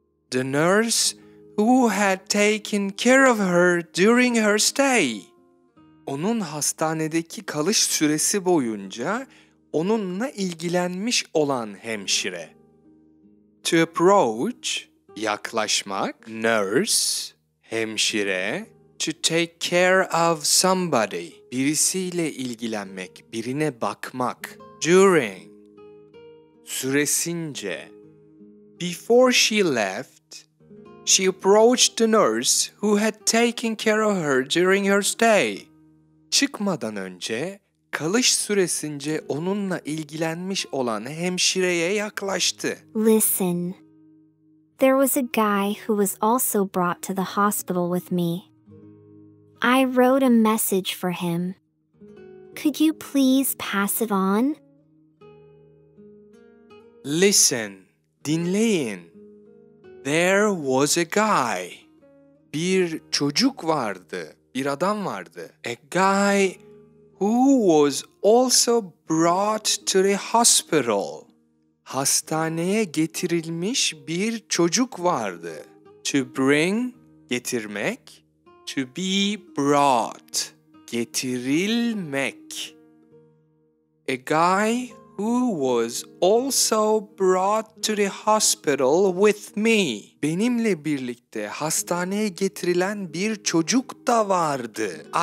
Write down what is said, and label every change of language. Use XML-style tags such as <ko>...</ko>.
<en>The nurse who had taken care of her during her stay.</en> <tr>Onun hastanedeki kalış süresi boyunca onunla ilgilenmiş olan hemşire.</tr> <en>To approach, yaklaşmak. Nurse, hemşire. To take care of somebody,</en> <tr>birisiyle ilgilenmek, birine bakmak.</tr> <en>During, süresince. Before she left, she approached the nurse who had taken care of her during her stay.</en> <tr>Çıkmadan önce, kalış süresince onunla ilgilenmiş olan hemşireye yaklaştı.</tr> <en>Listen. There was a guy who was also brought to the hospital with me. I wrote a message for him. Could you please pass it on? Listen. Dinleyin. There was a guy.</en> <tr>Bir çocuk vardı, bir adam vardı.</tr> <en>A guy who was also brought to the hospital.</en> <tr>Hastaneye getirilmiş bir çocuk vardı.</tr> <en>To bring, getirmek. To be brought, getirilmek. A guy who was also brought to the hospital with me.</en> <tr>Benimle birlikte hastaneye getirilen bir çocuk da vardı.</tr>